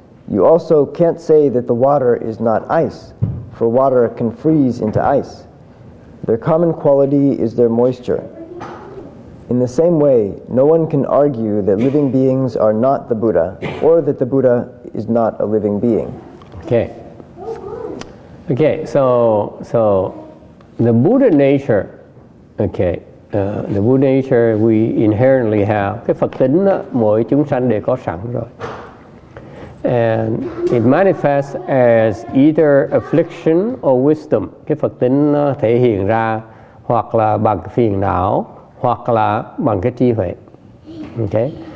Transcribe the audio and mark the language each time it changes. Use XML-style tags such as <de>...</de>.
<en>You also can't say that the water is not ice,for water can freeze into ice. Their common quality is their moisture. In the same way, no one can argue that living beings are not the Buddha, or that the Buddha is not a living being. Okay. Okay, so the Buddha nature, okay, the Buddha nature we inherently have,</en> <vi>cái Phật tính đó, mỗi chúng sanh đều có sẵn rồi.</vi> <en>And it manifests as either affliction or wisdom.</en> <vi>Cái Phật tính nó thể hiện ra hoặc là bằng phiền não hoặc là bằng cái trí huệ. Okay.</vi>